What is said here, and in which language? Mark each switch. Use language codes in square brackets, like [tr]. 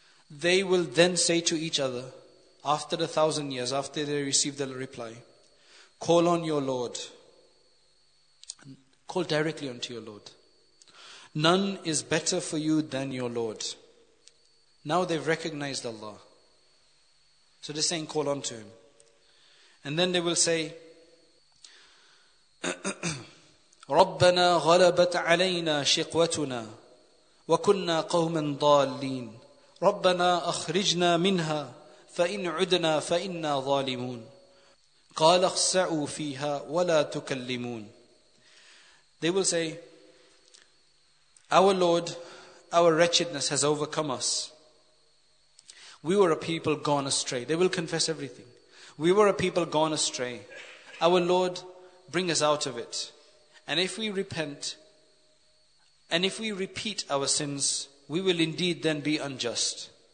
[en] They will then say to each other, after 1,000 years, after they receive the reply, call on your Lord. Call directly unto your Lord. None is better for you than your Lord. Now they've recognized Allah. So they're saying, call on to Him. And then they will say, [ar] رَبَّنَا غَلَبَتْ عَلَيْنَا شِقْوَتُنَا وَكُنَّا قَوْمًا ضَالِّينَ رَبَّنَا أَخْرِجْنَا مِنْهَا فَإِنْ عُدْنَا فَإِنَّا ظَالِمُونَ قَالَ اخْسَعُوا فِيهَا وَلَا تُكَلِّمُونَ. [en] They will say, our Lord, our wretchedness has overcome us. We were a people gone astray. They will confess everything. We were a people gone astray. Our Lord, bring us out of it. And if we repent, and if we repeat our sins, we will indeed then be unjust.